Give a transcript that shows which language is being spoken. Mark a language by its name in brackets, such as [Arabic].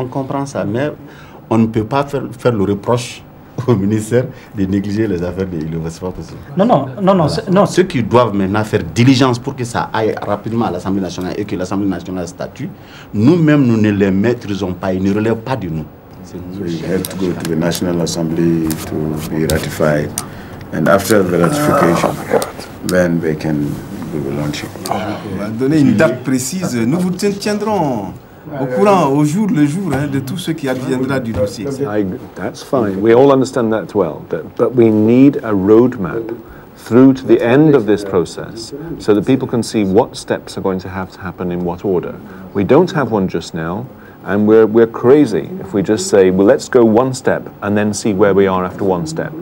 [French] On comprend ça, mais on ne peut pas faire le reproche au ministère de négliger les affaires de l'Ile-de-France, c'est pas possible. Non. Ceux qui doivent maintenant faire diligence pour que ça aille rapidement à l'Assemblée nationale et que l'Assemblée nationale statue, nous-mêmes, nous ne les maîtrisons pas, ils ne relèvent pas de nous. C'est nous. [English] We have to go to the National Assembly to be ratified. And after the ratification, then they can we will launch it. [French] On va donner une date précise. Nous vous tiendrons au courant, au jour le jour, hein, de tout ce qui adviendra du dossier. [English] That's fine. We all understand that well. But we need a roadmap through to the end of this process so that people can see what steps are going to have to happen in what order. We don't have one just now, and we're crazy if we just say, well, let's go one step and then see where we are after one step.